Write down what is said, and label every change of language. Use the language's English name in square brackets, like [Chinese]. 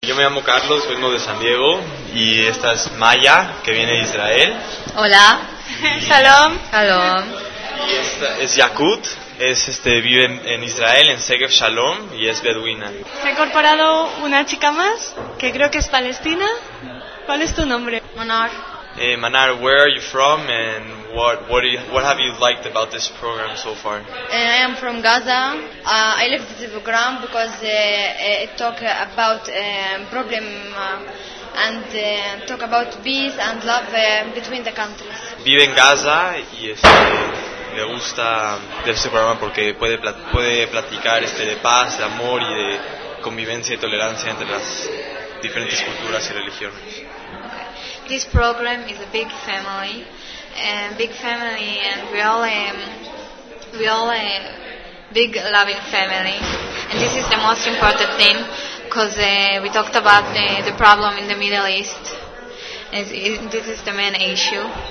[Spanish] Yo me llamo Carlos, vengo de San Diego, y esta es Maya, que viene de Israel. Hola. [Hebrew] Shalom. Shalom. [Spanish] Y esta es Yakut, vive en Israel, en Segev Shalom, y es beduina. Se ha incorporado una chica más, que creo que es palestina. ¿Cuál es tu nombre? Manar. [English] Hey Manar, where are you from and what have you liked about this program so far? I am from Gaza. I left the program because it talk about problem and talk about peace and love between the countries. [Spanish] Vive en Gaza y le gusta de este programa porque puede platicar de paz, de amor y de convivencia y tolerancia entre las diferentes culturas y religiones. [English] This program is a big family, and we all big loving family, and this is the most important thing, because we talked about the problem in the Middle East, and this is the main issue.